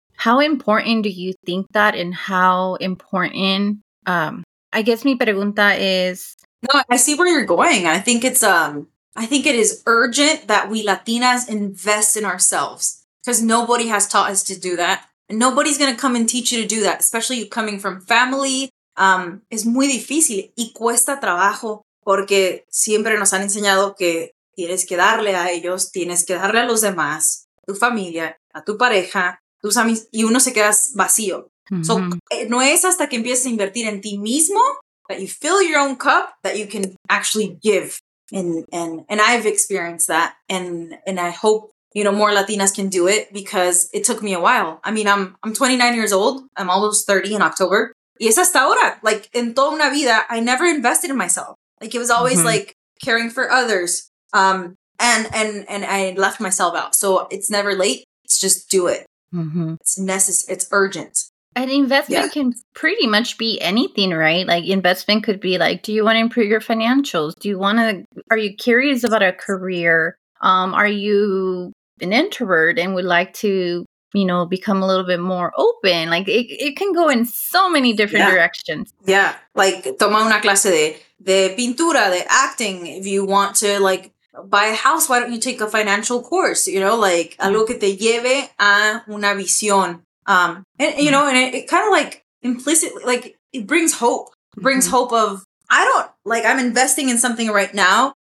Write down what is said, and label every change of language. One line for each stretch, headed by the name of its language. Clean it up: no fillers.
English: How important do you think that, and how important, I guess
Spanish: mi pregunta
English: is. No, I see where you're going. I think it's, I think it is urgent that we Latinas invest in ourselves, because nobody has taught us to do that. And nobody's going to come and teach you to do that, especially you coming from family.
Spanish: Es muy difícil y cuesta trabajo. Porque siempre nos han enseñado que tienes que darle a ellos, tienes que darle a los demás, tu familia, a tu pareja, tus amigos, y uno se queda vacío.
English: Mm-hmm. So,
Spanish: no es hasta que empieces a invertir en ti mismo
English: that you fill your own cup that you can actually give. And I've experienced that. And I hope, you know, more Latinas can do it, because it took me a while. I mean, I'm 29 years old. I'm almost 30 in October.
Spanish: Y es hasta ahora.
English: Like,
Spanish: en toda una vida,
English: I never invested in myself. Like, it was always, mm-hmm. like, caring for others. And I left myself out. So it's never late. It's just do it. Mm-hmm. It's necessary. It's urgent. An investment can pretty much be anything, right? Like, investment could be, like, do you want to improve your financials? Do you want to, are you curious about a career? Are you an introvert and would like to, you know, become a little bit more open? Like, it can go in so many different directions. Yeah.
Spanish: Like, toma una clase de pintura, de acting.
English: If you want to, like, buy a house, why don't you take a financial course? You know,
Spanish: like, algo que te lleve a una visión.
English: And, you know, and it kind of, like, implicitly, like, it brings hope. It brings hope of, I'm investing in something right now.